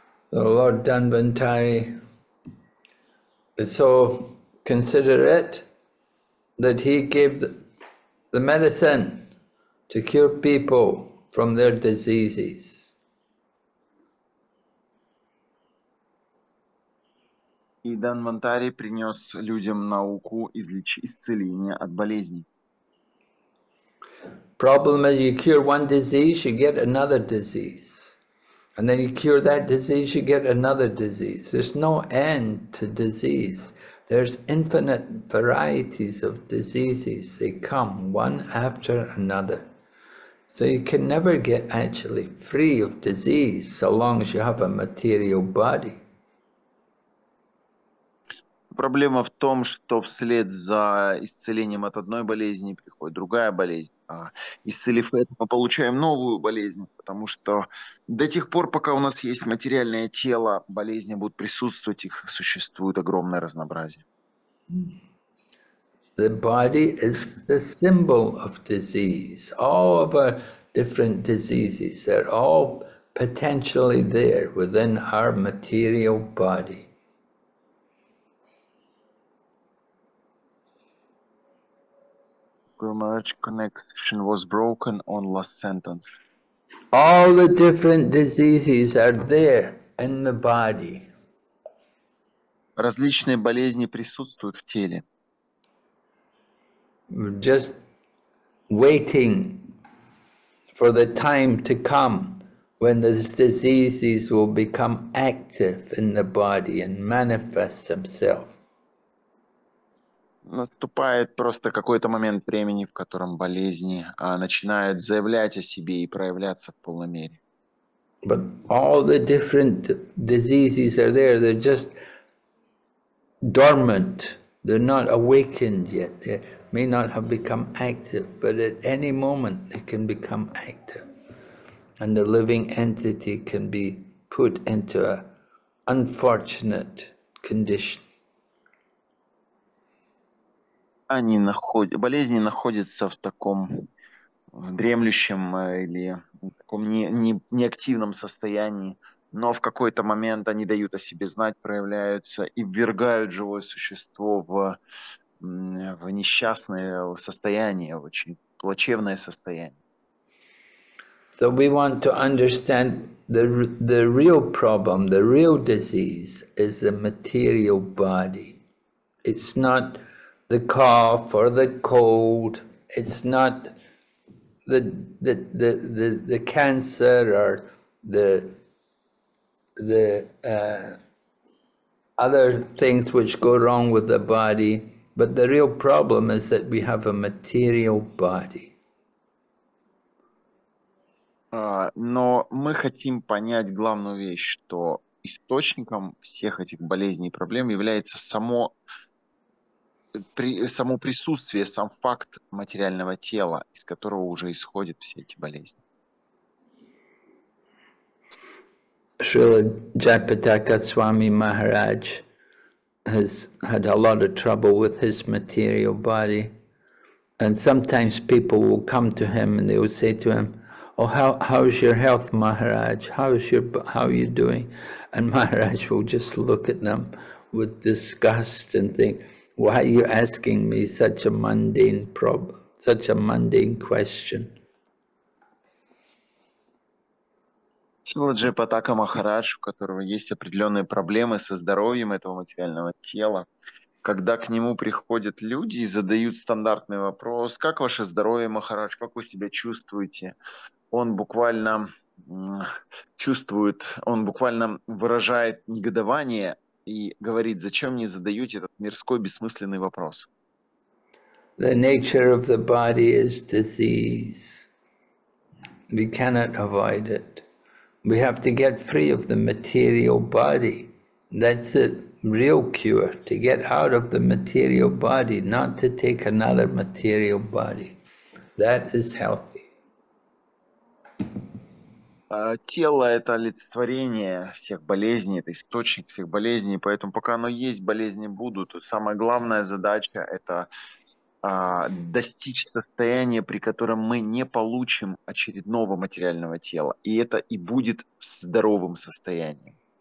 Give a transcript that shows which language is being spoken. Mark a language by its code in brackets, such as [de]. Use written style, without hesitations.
[en] The Lord Danvantari is so considerate that he gave the medicine to cure people from their diseases. [ru] И Данвантари принес людям науку исцеления от болезней. [en] Problem is, you cure one disease, you get another disease. And then you cure that disease, you get another disease. There's no end to disease. There's infinite varieties of diseases. They come one after another. So you can never get actually free of disease so long as you have a material body. [ru] Проблема в том, что вслед за исцелением от одной болезни приходит другая болезнь. А исцелив это, мы получаем новую болезнь, потому что до тех пор, пока у нас есть материальное тело, болезни будут присутствовать, их существует огромное разнообразие. [en] The body is the symbol of disease. All of our different diseases, they're all potentially there within our material body. Guru Maharaj, connection was broken on last sentence. All the different diseases are there in the body. [ru] Различные болезни присутствуют в теле. [en] Just waiting for the time to come when these diseases will become active in the body and manifest themselves. [ru] Наступает просто какой-то момент времени, в котором болезни начинают заявлять о себе и проявляться в полной мере. [en] But all the different diseases are there, they're just dormant, they're not awakened yet, they may not have become active, but at any moment they can become active, and the living entity can be put into an unfortunate condition. [ru] Болезни находятся в таком дремлющем или таком неактивном состоянии, но в какой-то момент они дают о себе знать, проявляются и ввергают живое существо в несчастное состояние, в очень плачевное состояние. [en] So we want to understand the real problem, the real disease is the material body. It's not the cough or the cold, it's not the cancer or the other things which go wrong with the body, but the real problem is that we have a material body. [ru] Но мы хотим понять главную вещь, что источником всех этих болезней и проблем является само присутствие, сам факт материального тела, из которого уже исходят все эти болезни. [en] Srila Jayapataka Swami Maharaj has had a lot of trouble with his material body, and sometimes people will come to him and they will say to him, "Oh, how's your health, Maharaj? How are you doing?" And Maharaj will just look at them with disgust and think, "Why are you asking me such a mundane problem, such a mundane question?" [ru] Шрила Джайапатака Махарадж, у которого есть определенные проблемы со здоровьем этого материального тела, когда к нему приходят люди и задают стандартный вопрос: «Как ваше здоровье, Махарадж? Как вы себя чувствуете?» Он буквально выражает негодование и говорит: зачем мне задаете этот мирской бессмысленный вопрос? [en] The nature of the body is disease. We cannot avoid it. We have to get free of the material body. That's the real cure, to get out of the material body, not to take another material body. That is healthy. [ru] Тело – это олицетворение всех болезней, это источник всех болезней, поэтому пока оно есть, болезни будут. Самая главная задача – это достичь состояния, при котором мы не получим очередного материального тела, и это и будет здоровым состоянием.